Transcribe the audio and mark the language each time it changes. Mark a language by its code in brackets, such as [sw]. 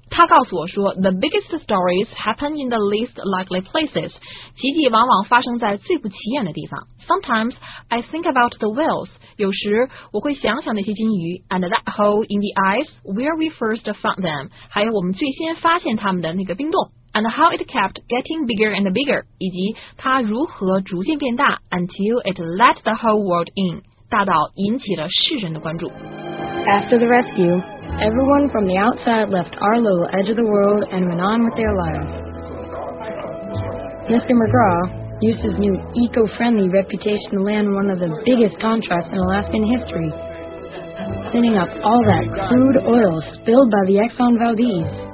[zh] 他告诉我说 [en] The biggest stories happen in the least likely places. [zh] 奇迹往往发生在最不起眼的地方。 [en] Sometimes I think about the whales. [zh] 有时我会想想那些金鱼 [en] And that hole in the ice where we first found them. [zh] 还有我们最先发现他们的那个冰洞 [en] And how it kept getting bigger and bigger. [zh] 以及它如何逐渐变大 [en] Until it let the whole world in. [zh] 大到引起了世人的关注。 [en] After the rescue, everyone from the outside left our little edge of the world and went on with their lives. Mr. McGraw used his new eco-friendly reputation to land one of the biggest contracts in Alaskan history, cleaning up all that crude oil spilled by the Exxon Valdez.